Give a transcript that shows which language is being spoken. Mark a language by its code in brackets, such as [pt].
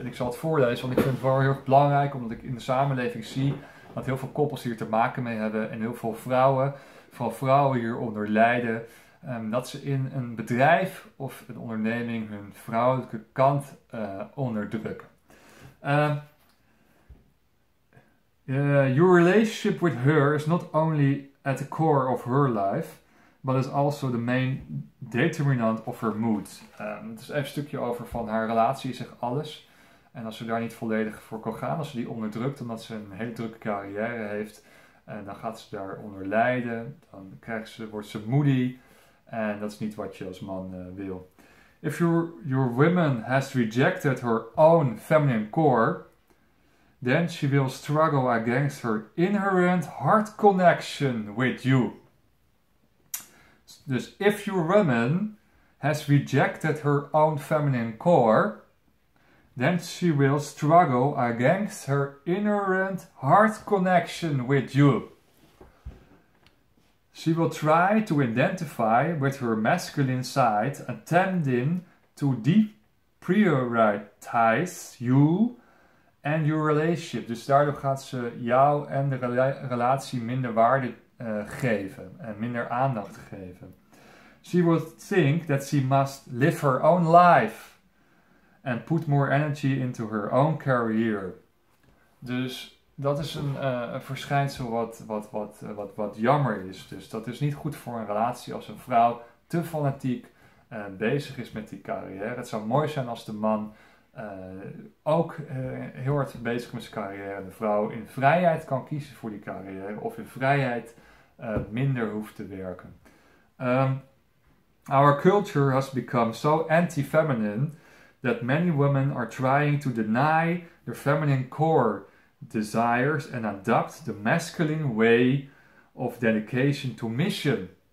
[nl] En ik zal het voorlezen, want ik vind het wel heel erg belangrijk, omdat ik in de samenleving zie dat heel veel koppels hier te maken mee hebben en heel veel vrouwen, vooral vrouwen hieronder lijden, dat ze in een bedrijf of een onderneming hun vrouwelijke kant onderdrukken. [en] Your relationship with her is not only at the core of her life, but is also the main determinant of her mood. [nl] Het is even een stukje over van haar relatie is echt alles. En als ze daar niet volledig voor kan gaan, als ze die onderdrukt omdat ze een hele drukke carrière heeft, dan gaat ze daaronder lijden. Dan wordt ze moody. En dat is niet wat je als man wil. [en] If your woman has rejected her own feminine core, then she will struggle against her inherent heart connection with you. Dus if your woman has rejected her own feminine core, then she will struggle against her inherent heart connection with you. She will try to identify with her masculine side, attempting to deprioritize you and your relationship. [nl] Dus daardoor gaat ze jou en de relatie minder waarde geven en minder aandacht geven. [en] She would think that she must live her own life and put more energy into her own career. [nl] Dus dat is een verschijnsel wat jammer is. Dus dat is niet goed voor een relatie als een vrouw te fanatiek bezig is met die carrière. Het zou mooi zijn als de man ook heel hard bezig met zijn carrière en de vrouw in vrijheid kan kiezen voor die carrière of in vrijheid minder hoeft te werken. [en] Our culture has become so anti-feminine that many women are trying to deny their feminine core desires and adopt the masculine way of dedication to mission.